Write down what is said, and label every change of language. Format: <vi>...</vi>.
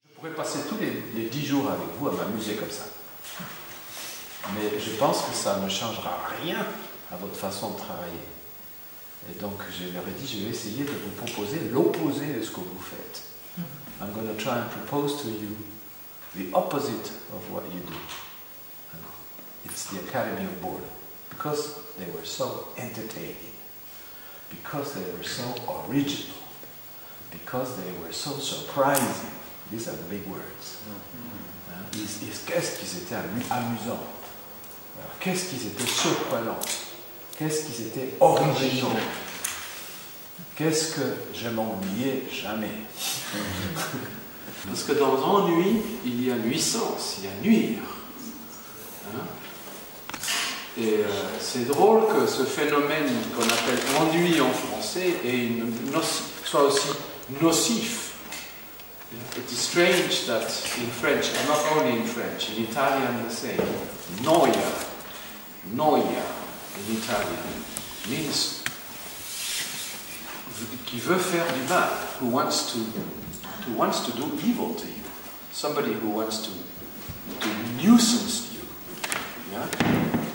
<fr>pourrais passer tous les 10 jours avec vous à m'amuser comme ça. Mais je pense que ça ne changera rien à votre façon de travailler. Et donc, je leur ai dit, je vais essayer de vous proposer l'opposé de ce que vous faites.</fr> <en>I'm going to try and propose to you the opposite of what you do. It's the Academy of Boredom. Because they were so entertaining. Because they were so original. Because they were so surprising. These are the big words.</en> <fr>Qu'est-ce qu'ils étaient amusants? Qu'est-ce qu'ils étaient surprenants? Qu'est-ce qu'ils étaient originaux? Qu'est-ce que je m'ennuyais jamais? Parce que dans l'ennui, il y a nuisance, il y a nuire. Et c'est drôle que ce phénomène qu'on appelle ennui en français soit aussi nocif.</fr> <en>It is strange that in French, and not only in French, in Italian the same, noia in Italian means</en> <fr>qui veut faire du mal,</fr> <en>who wants to do evil to you, somebody who wants to nuisance you. Yeah?</en>